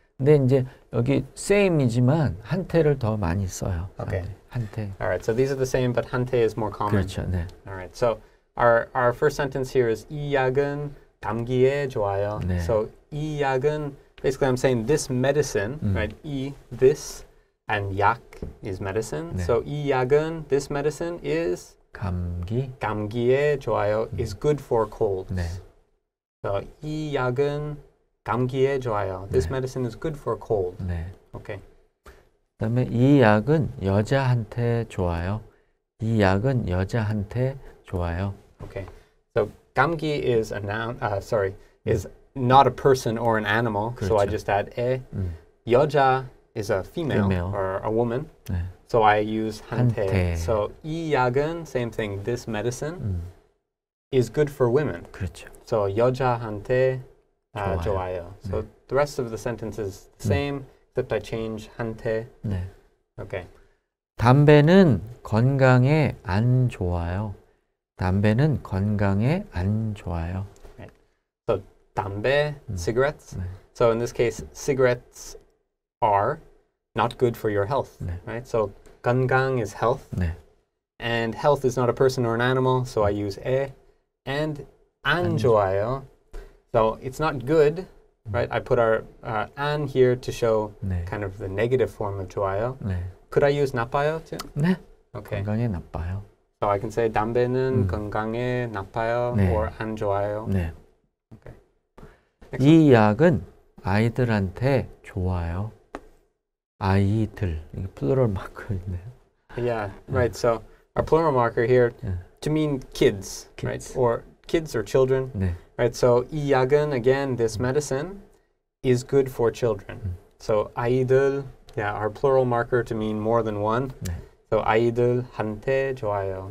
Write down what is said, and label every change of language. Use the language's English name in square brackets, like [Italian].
[Korean] 근데 이제 여기 same이지만 한테를 더 많이 써요. 오케이. [English] Okay. 한테. All right, so these are the same, but 한테 is more common. [Korean] 그렇죠, 네. [English] All right, so our first sentence here is [Korean] 이 약은 감기에 좋아요. 네. [English] So [Korean] 이 약은, [English] basically I'm saying this medicine, right, 이, this, and 약 is medicine. [Korean] 네. [English] So [Korean] 이 약은, [English] this medicine is [Korean] 감기. 감기에 좋아요, [English] is good for colds. [Korean] 네. So 이 약은 감기에 좋아요. [English] This [Korean] 네. [English] medicine is good for cold. [Korean] 네. [English] Okay. [Korean] 그다음에 이 약은 여자한테 좋아요. 이 약은 여자한테 좋아요. [English] Okay. So 감기 is a noun. Sorry, is not a person or an animal. [Korean] 그렇죠. [English] So I just add 에. 여자 is a female, female. Or a woman. [Korean] 네. [English] So I use 한테. [Korean] 한테. [English] So [Korean] 이 약은 [English] same thing. This medicine is good for women. [Korean] 그렇죠. So 여자한테 좋아요. 좋아요. [English] So [Korean] 네. [English] the rest of the sentence is the same, except I change 한테. [Korean] 네. [English] Okay. [Korean] 담배는 건강에 안 좋아요. 담배는 건강에 안 좋아요. [English] Right. So 담배, cigarettes. 네. So in this case, cigarettes are not good for your health. [Korean] 네. [English] Right. So 건강 is health. [Korean] 네. [English] And health is not a person or an animal, so I use 에. And [Korean] 안 좋아요. [English] So it's not good, right? I put our 안 here to show [Korean] 네. [English] kind of the negative form of 좋아요. [Korean] 네. [English] Could I use 나빠요 too? [Korean] 네. [English] Okay. [Korean] 건강에 나빠요. [English] So I can say [Korean] 담배는 건강에 나빠요 네. or 안 좋아요. 네. [English] Okay. [Korean] 이 약은 아이들한테 좋아요. 아이들. 이게 플루럴 마크인데요. [English] Yeah, right. So our plural marker here to mean kids, right? Or kids or children. [Korean] 네. [English] Right, so [Korean] 이 약은, [English] again, this medicine is good for children. So 아이들, yeah, our plural marker to mean more than one. [Korean] 네. So 아이들한테 좋아요.